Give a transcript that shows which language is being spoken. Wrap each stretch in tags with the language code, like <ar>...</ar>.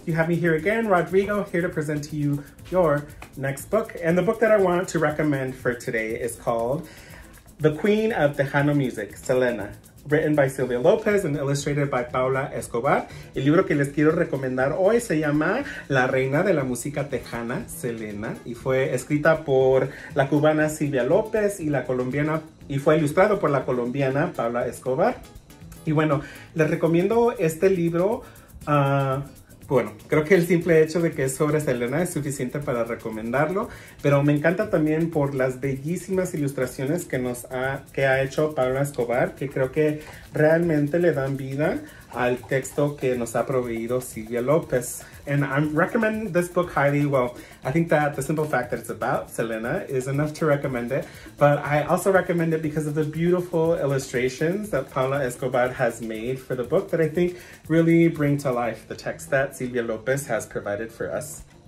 <en>You have me here again, Rodrigo, here to present to you your next book. And the book that I want to recommend for today is called The Queen of Tejano Music, Selena, written by Silvia Lopez and illustrated by Paula Escobar.</en> <es>El libro que les quiero recomendar hoy se llama La Reina de la Música Tejana, Selena, y fue escrita por la cubana Silvia Lopez y la colombiana, y fue ilustrado por la colombiana Paula Escobar. Y bueno, les recomiendo este libro. Bueno, creo que el simple hecho de que es sobre Selena es suficiente para recomendarlo, pero me encanta también por las bellísimas ilustraciones que ha hecho Paula Escobar, que creo que realmente le dan vida al texto que nos ha proveído Silvia López.</es> <en>And I recommend this book highly. Well, I think that the simple fact that it's about Selena is enough to recommend it, but I also recommend it because of the beautiful illustrations that Paula Escobar has made for the book that I think really bring to life the text that Silvia López has provided for us.</en>